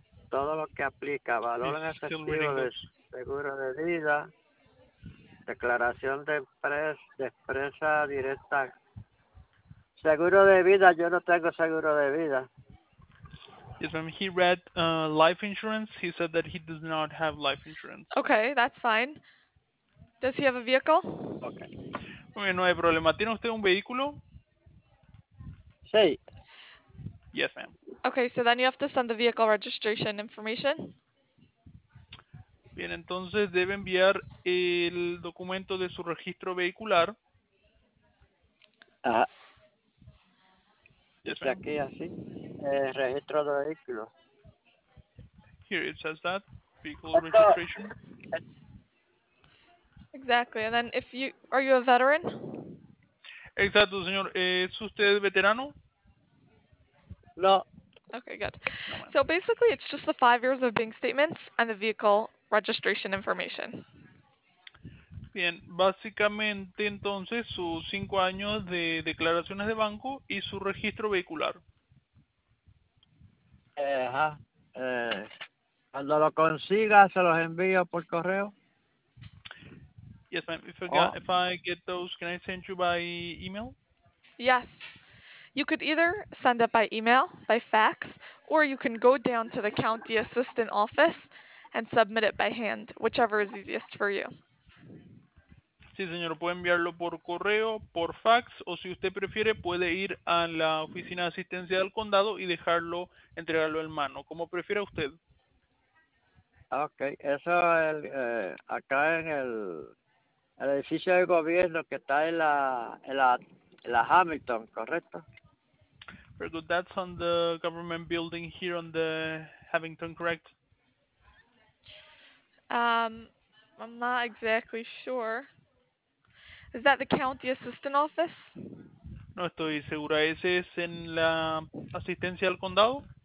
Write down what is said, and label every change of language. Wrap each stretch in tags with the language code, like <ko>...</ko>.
<es>Todo lo que aplica, valor en efectivo de seguro de vida, declaración de empresa directa, seguro de vida, yo no tengo seguro de vida.</es> <en>Yes, when he read life insurance, he said that he does not have life insurance. Okay, that's fine. Does he have a vehicle? Okay.</en> <es>Muy bien, no hay problema. ¿Tiene usted un vehículo? Sí.</es> <en>Yes, ma'am. Okay, so then you have to send the vehicle registration information.</en> <es>Bien, entonces debe enviar el documento de su registro vehicular. Ah.</es> <en>Yes,</en> <es>ma'am. Aquí así, registro de vehículo.</es> <en>Here it says that, vehicle registration. Exactly, and then if you, are you a veteran?</en> <es>Exacto, señor. ¿Es usted veterano? No.</es> <en>Okay, good. So basically, it's just the 5 years of bank statements and the vehicle registration information.</en> <es>Bien, básicamente entonces sus 5 años de declaraciones de banco y su registro vehicular. Ajá. Cuando lo consiga, se los envío por correo.</es> <en>Yes, ma'am. If I get those, can I send you by email? Yes. You could either send it by email, by fax, or you can go down to the county assistant office and submit it by hand, whichever is easiest for you.</en> <es>Sí, señor, puede enviarlo por correo, por fax, o si usted prefiere, puede ir a la oficina de asistencia del condado y dejarlo, entregarlo en mano, como prefiera usted. Okay, eso el, acá en el edificio de gobierno que está en la Hamilton, ¿correcto?</es> <en>Very good. That's on the government building here on the Havington, correct? I'm not exactly sure. Is that the county assistant office?</en> <es>No estoy segura. ¿Ese es en la asistencia al condado?</es>